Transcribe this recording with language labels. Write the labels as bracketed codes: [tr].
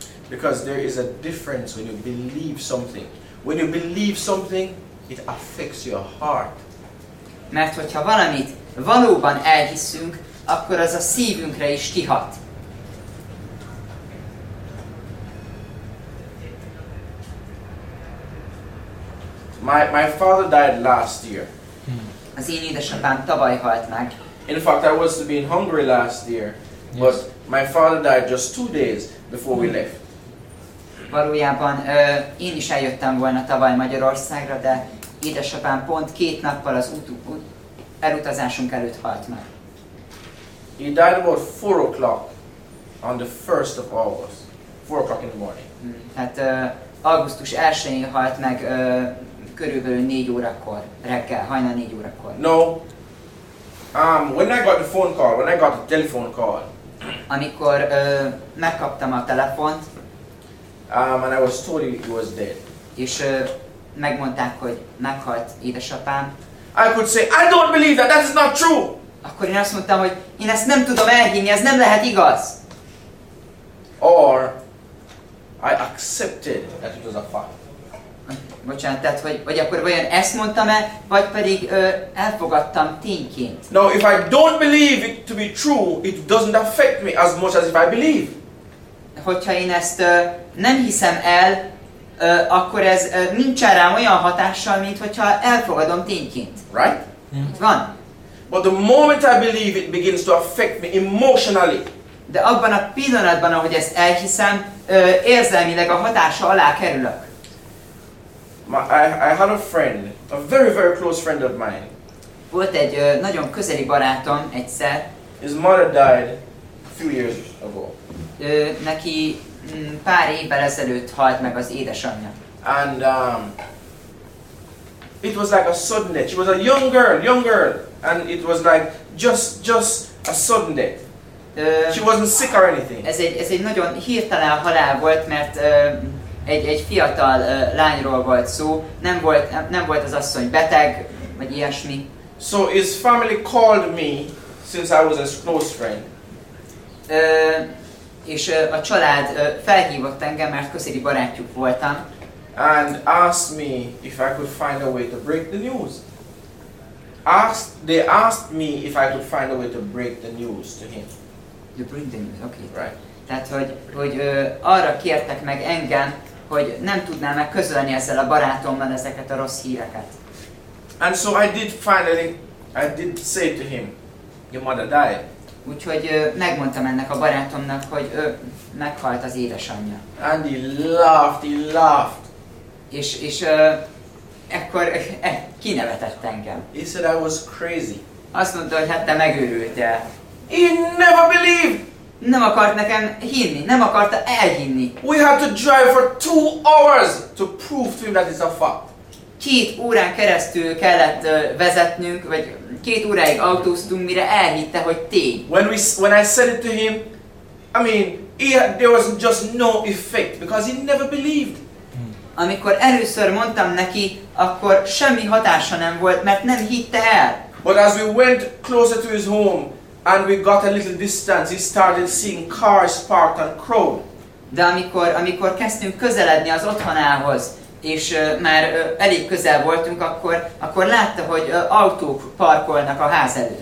[en] Because there is a difference when you believe something. When you believe something, it affects your heart. [hu] Mert hogyha valamit valóban elhiszünk, akkor az a szívünkre is kihat. [en] My father died last year. [hu] Az én édesapám tavaly halt meg. [en] In fact, I was to be in Hungary last year, but yes. My father died just 2 days before we left. [hu] Valójában én is eljöttem volna tavaly Magyarországra, de édesapám pont 2 nappal az elutazásunk előtt halt meg. [en] He died about 4 o'clock on the 1st of August, 4 o'clock in the morning. [hu] Tehát augusztus 1-én halt meg. Körülbelül 4 órakor, reggel, hajnal 4 órakor. [en] No. When I got the phone call, when I got the telephone call. [hu] Amikor megkaptam a telefont. [en] And I was told he was dead. [hu] És megmondták, hogy meghalt édesapám. [en] I could say, I don't believe that, that is not true. [hu] Akkor én azt mondtam, hogy én ezt nem tudom elhinni, ez nem lehet igaz. [en] Or, I accepted that it was a fact. [hu] Bocsánat, tehát vagy akkor vajon ezt mondtam-e, vagy pedig elfogadtam tényként. [en] No, if I don't believe it to be true, it doesn't affect me as much as if I believe. [hu] Hogyha én ezt nem hiszem el, akkor ez nincsen rám olyan hatással, mint hogyha elfogadom tényként. [en] Right? [hu] Itt van. [en] But the moment I believe it begins to affect me emotionally. [hu] De abban a pillanatban, ahogy ezt elhiszem, érzelmileg a hatása alá kerülök. [en] I had a friend A very, very close friend of mine. [hu] Volt egy nagyon közeli barátom egyszer. [en] His mother died a few years ago. [hu] Neki pár évvel ezelőtt halt meg az édesanyja. [en] And it was like a sudden death. She was a young girl, and it was like just a sudden death. She wasn't sick or anything. [hu] Ez egy nagyon hirtelen halál volt, mert egy fiatal lányról volt szó. Nem volt az asszony beteg, vagy ilyesmi. [en] So his family called me since I was his close friend. [hu] És a család felhívott engem, mert közeli barátjuk voltam. [en] And asked me if I could find a way to break the news. They asked me if I could find a way to break the news to him. To break the news, okay. Right. [hu] Tehát, hogy arra kértek meg engem, hogy nem tudnám meg közölni ezzel a barátommal ezeket a rossz híreket. [en] And so I did say to him, your mother died. [hu] Úgyhogy megmondtam ennek a barátomnak, hogy ő meghalt az édesanyja. [en] And he laughed. [hu] És ekkor kinevetett engem. [en] He said I was crazy. [hu] Azt mondta, hogy hát te megőrültél. [en] He never believed. [hu] Nem akart nekem hinni, nem akarta elhinni. [en] We had to drive for 2 hours to prove to him that it's a fact. [hu] 2 órán keresztül kellett vezetnünk, vagy 2 óráig autóztunk, mire elhitte, hogy tény. [en] When I said it to him, I mean, there was just no effect, because he never believed. [hu] Amikor először mondtam neki, akkor semmi hatása nem volt, mert nem hitte el. [en] But as we went closer to his home, and we got a little distance, he started seeing cars parked on Crow. [hu] De amikor kezdtünk közeledni az otthonához, és már elég közel voltunk, akkor látta, hogy autók parkolnak a ház előtt.